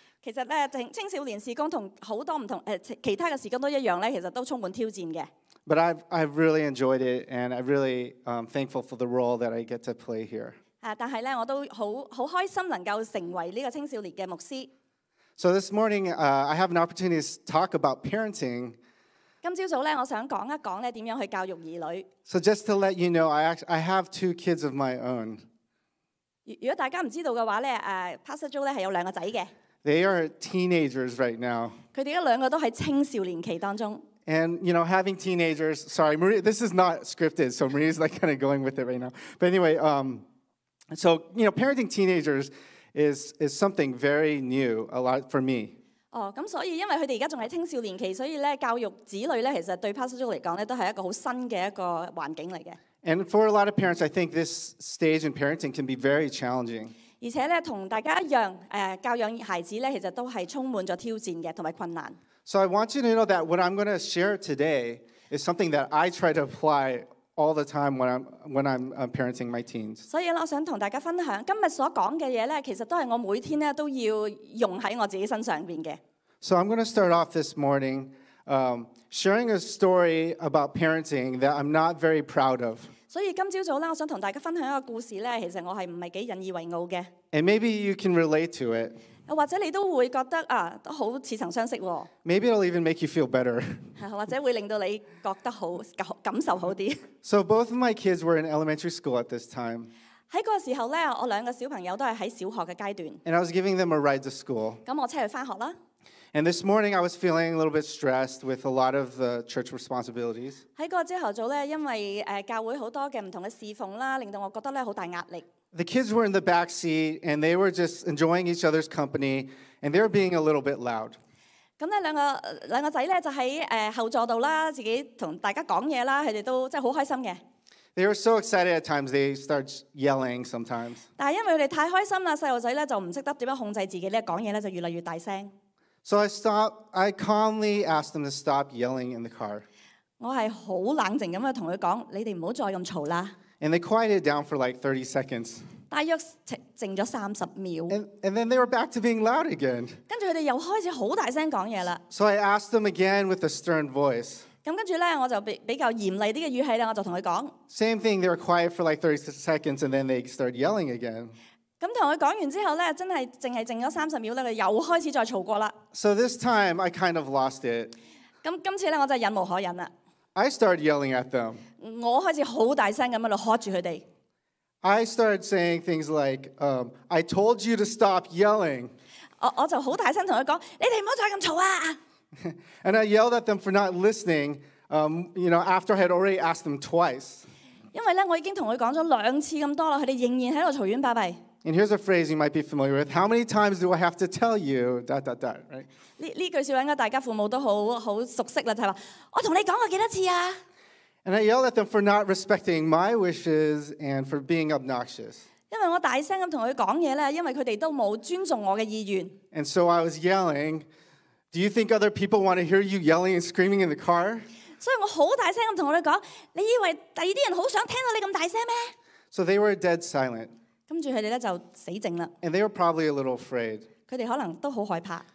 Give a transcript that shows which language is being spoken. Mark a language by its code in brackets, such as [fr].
[yue] 其實咧，青少年事工同好多唔同其他嘅事工都一樣咧，其實都充滿挑戰嘅。 [en] But I've really enjoyed it, and I'm really thankful for the role that I get to play here。 [yue] 但係咧，我都好開心能夠成為呢個青少年嘅牧師。 [en] So this morning, I have an opportunity to talk about parenting. [yue] 今朝早咧，我想讲一讲咧，点样去教育儿女。 [en] So just to let you know, I have two kids of my own. [yue] 如果大家唔知道嘅话咧，Pastor Joe 咧系有两个仔嘅。 [en] They are teenagers right now. [yue] 佢哋两个都喺青少年期当中。 [en] And you know, having teenagers, sorry, Marie, this is not scripted, so Marie's like kind of going with it right now. But anyway, so you know, parenting teenagers. Is something very new a lot for me. [yue] Oh, 咁所以因為佢哋而家仲喺青少年期，所以咧教育子女咧，其實對 Pastor Joe 嚟講咧，都係一個好新嘅一個環境嚟嘅。 [en] And for a lot of parents, I think this stage in parenting can be very challenging. [yue] 而且咧，同大家一樣，教養孩子咧，其實都係充滿咗挑戰嘅，同埋困難。 [en] So I want you to know that what I'm going to share today is something that I try to apply. All the time when I'm parenting my teens. [yue] 所以咧，我想同大家分享今日所讲嘅嘢咧，其实都系我每天咧都要用喺我自己身上边嘅。 [en] So I'm going to start off this morning, sharing a story about parenting that I'm not very proud of. [yue] 所以今朝早咧，我想同大家分享一个故事咧，其实我系唔系几引以为傲嘅。 [en] And maybe you can relate to it. [yue] 或者你都会觉得好似曾相识。 [en] Maybe it'll even make you feel better. [yue] 或者会令到你觉得好感受好啲。 [en] So both of my kids were in elementary school at this time. [yue] 喺嗰个时候咧，我两个小朋友都系喺小学嘅阶段。 [en] And I was giving them a ride to school. [yue] 咁我车佢翻学啦。 [en] And this morning I was feeling a little bit stressed with a lot of the church responsibilities. [yue] 喺嗰个朝头早咧，因为教会好多嘅唔同嘅侍奉啦，令到我觉得咧好大压力。 [en] The kids were in the back seat and they were just enjoying each other's company and they were being a little bit loud. [yue] 咁咧两个仔咧就喺后座度啦，自己同大家讲嘢啦，佢哋都真系好开心嘅。 [en] They were so excited at times, they start yelling sometimes. [yue] 但系因为佢哋太开心啦，细路仔咧就唔识得点样控制自己咧，讲嘢咧就越嚟越大声。 [en] So I calmly asked them to stop yelling in the car. [yue] 我系好冷静咁样同佢讲，你哋唔好再咁嘈啦。 [en] And they quieted down for like 30 seconds. [yue] 大約靜咗三十秒。 [en] And then they were back to being loud again. [yue] 跟住佢哋又開始好大聲講嘢啦。 [en] So I asked them again with a stern voice. [yue] 咁跟住咧，我就比較嚴厲啲嘅語氣咧，我就同佢講。 [en] Same thing. They were quiet for like 30 seconds, and then they started yelling again. [yue] 咁同佢講完之後咧，真係淨係靜咗三十秒咧，佢又開始再嘈過啦。 [en] So this time I kind of lost it. [yue] 咁今次咧，我就忍無可忍啦。 [en] I started yelling at them. [yue] 我開始好大聲咁樣嚟喝住佢哋。 [en] I started saying things like, "I told you to stop yelling." [yue] 我就好大聲同佢講，你哋唔好再咁嘈啊。 [en] And I yelled at them for not listening. You know, after I had already asked them twice. [yue] 因為咧，我已經同佢講咗兩次咁多啦，佢哋仍然喺度嘈冤巴閉。 [en] And here's a phrase you might be familiar with. How many times do I have to tell you? Dot dot dot. Right. [yue] 呢句説話應該大家父母都好熟悉啦，就係話我同你講過幾多次啊？ [en] And I yelled at them for not respecting my wishes and for being obnoxious. [yue] 因为我大声咁同佢讲嘢咧，因为佢哋都冇尊重我嘅意愿。 [en] And so I was yelling, "Do you think other people want to hear you yelling and screaming in the car?" [yue] 所以我好大声咁同佢哋讲，你以为第二啲人好想听到你咁大声咩 [en] ？So they were dead silent. [yue] 跟住佢哋咧就死静啦。 [en] And they were probably a little afraid. [yue] 佢哋可能都好害怕。